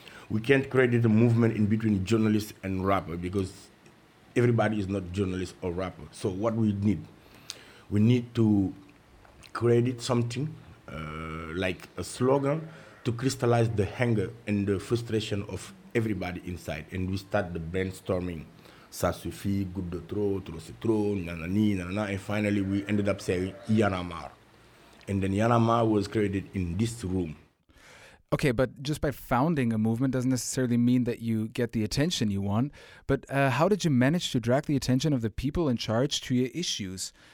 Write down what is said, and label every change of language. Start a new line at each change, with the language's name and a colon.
English: We can't create a movement in between journalists and rapper because everybody is not journalist or rapper. So what we need to create something like a slogan to crystallize the anger and the frustration of everybody inside. And we start the brainstorming.
French: Ça suffit, goutte de trop, trop c'est trop, nanani, nanana.
English: And finally, we ended up saying Yanamar. And then Yanamar was created in this room. Okay, but just by founding a movement doesn't necessarily mean that you get the attention you want. But how did you manage to drag the attention of the people in charge to your issues?